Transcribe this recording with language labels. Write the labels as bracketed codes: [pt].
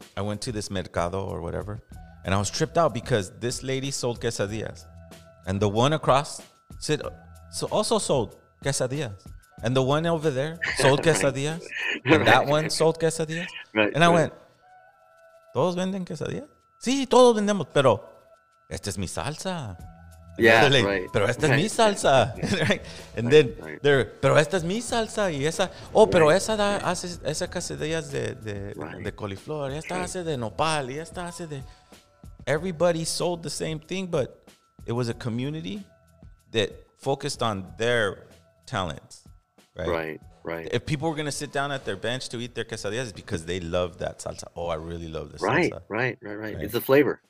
[en] I went to this mercado or whatever, and I was tripped out because this lady sold quesadillas, and the one across said, so also sold quesadillas, and the one over there sold quesadillas, and that one sold quesadillas, and I went, [es] todos venden quesadillas? Sí, todos vendemos, pero esta es mi salsa. [en] Yeah, like, right. [es] Pero esta es mi salsa. Then, pero esta es mi salsa. Y esa, pero esa da, hace esa quesadillas de coliflor. Esta hace de nopal. Y esta hace de... [en] Everybody sold the same thing, but it was a community that focused on their talents, right? Right, right. If people were going to sit down at their bench to eat their quesadillas, it's because they love that salsa. Oh, I really love this salsa. Right. It's the flavor.